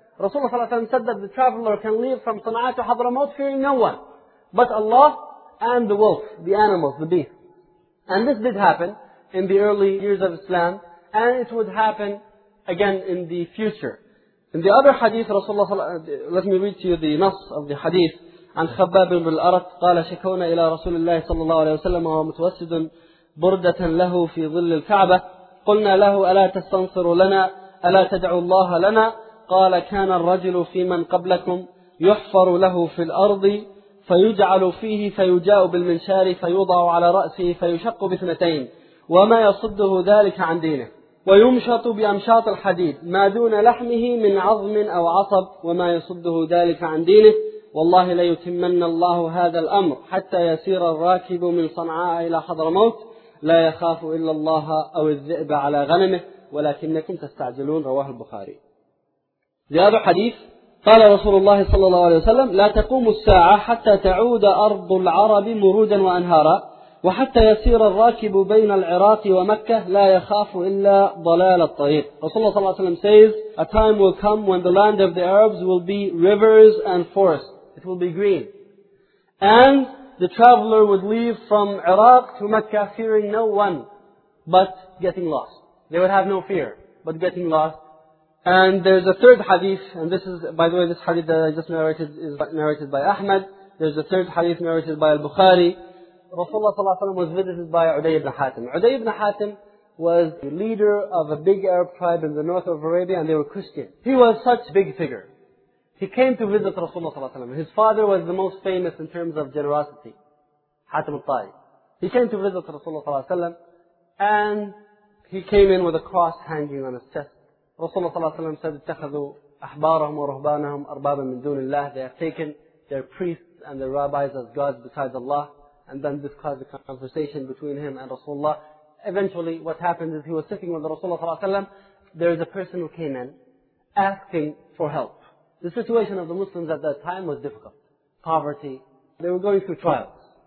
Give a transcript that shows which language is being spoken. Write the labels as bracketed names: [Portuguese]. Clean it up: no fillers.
[English] Rasulullah ﷺ said that the traveler can leave from Sana'a to Hadramaut fearing no one, but Allah and the wolf, the animals, the beasts. And this did happen in the early years of Islam, and it would happen again in the future. In the other hadith, Rasulullah ﷺ, let me read to you the nass of the hadith. [Arabic] عن خباب بن الأرت قال شكونا إلى رسول الله صلى الله عليه وسلم وهو متوسد بردة له في ظل الكعبة قلنا له ألا تستنصر لنا ألا تدعو الله لنا قال كان الرجل في من قبلكم يحفر له في الأرض فيجعل فيه فيجاء بالمنشار فيوضع على رأسه فيشق باثنتين وما يصده ذلك عن دينه ويمشط بأمشاط الحديد ما دون لحمه من عظم أو عصب وما يصده ذلك عن دينه والله لا يتمن الله هذا الأمر حتى يسير الراكب من صنعاء إلى حضرموت لا يخاف إلا الله أو الذئب على غنمه ولكنكم تستعجلون رواه البخاري. [English] The other hadith, [Arabic] قال رسول الله صلى الله عليه وسلم لا تقوم الساعة حتى تعود أرض العرب مرودا وأنهارا وحتى يسير الراكب بين العراق ومكة لا يخاف إلا ضلال الطريق. رسول الله صلى الله عليه وسلم [English] says, a time will come when the land of the Arabs will be rivers and forests. It will be green. And the traveler would leave from Iraq to Mecca fearing no one but getting lost. They would have no fear but getting lost. And there's a third hadith, and this is, by the way, this hadith that I just narrated is narrated by Ahmad. There's a third hadith narrated by Al-Bukhari. Rasulullah ﷺ was visited by Uday ibn Hatim. Uday ibn Hatim was the leader of a big Arab tribe in the north of Arabia, and they were Christian. He was such a big figure. He came to visit Rasulullah ﷺ. His father was the most famous in terms of generosity, Hatim al-Tayy. He came to visit Rasulullah ﷺ and he came in with a cross hanging on his chest. Rasulullah ﷺ said, [Arabic] اتخذوا أحبارهم ورهبانهم أربابا من دون الله. [English] They have taken their priests and their rabbis as gods besides Allah. And then this caused a conversation between him and Rasulullah. Eventually what happened is he was sitting with Rasulullah ﷺ there is a person who came in asking for help. The situation of the Muslims at that time was difficult. Poverty. They were going through trials.